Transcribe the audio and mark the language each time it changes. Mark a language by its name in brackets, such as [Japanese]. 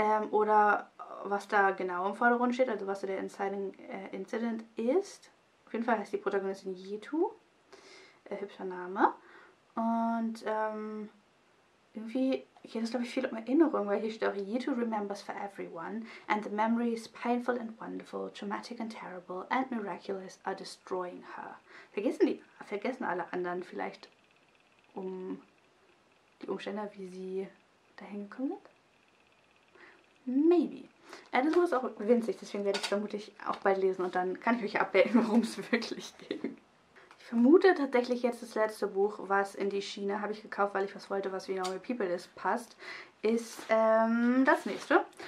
[German] Oder was da genau im Vordergrund steht, also was so der Inciting Incident ist. Auf jeden Fall heißt die Protagonistin Yetu. Hübscher Name. Und irgendwie geht es, glaube ich, viel um Erinnerung, weil hier steht auch: [English] Yetu remembers for everyone. And the memories, painful and wonderful, traumatic and terrible and miraculous, are destroying her. [German] Vergessen alle anderen vielleicht um die Umstände, wie sie dahin gekommen sind? Maybe. Das Buch ist auch winzig, deswegen werde ich es vermutlich auch bald lesen und dann kann ich euch abwählen, worum es wirklich ging. Ich vermute tatsächlich jetzt das letzte Buch, was in die Schiene habe ich gekauft, weil ich was wollte, was wie Normal People ist, passt, ist das nächste.